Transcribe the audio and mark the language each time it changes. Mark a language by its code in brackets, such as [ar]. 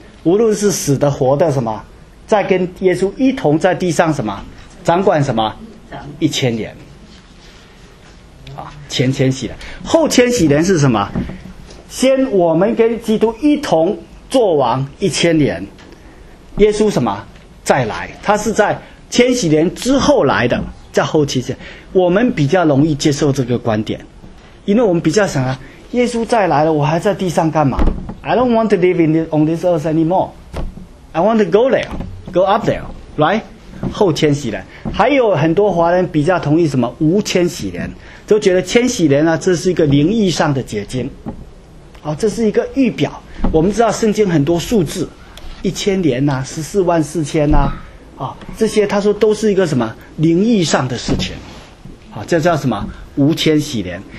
[zh] 无论是死的活的什么，在跟耶稣一同在地上什么掌管什么一千年啊，前千禧年。后千禧年是什么？先我们跟基督一同做完一千年，耶稣什么再来，他是在千禧年之后来的，在后期间，我们比较容易接受这个观点，因为我们比较想啊，耶稣再来了，我还在地上干嘛？ [en] I don't want to live in this, on this earth anymore. I want to go there, go up there, right? [zh] 后千禧年，还有很多华人比较同意什么无千禧年，都觉得千禧年呢、啊，这是一个灵异上的结晶，好、哦，这是一个预表。我们知道圣经很多数字，一千年呐、啊，十四万四千呐、啊。啊、哦，这些他说都是一个什么灵异上的事情，啊、哦，这叫什么无千禧年。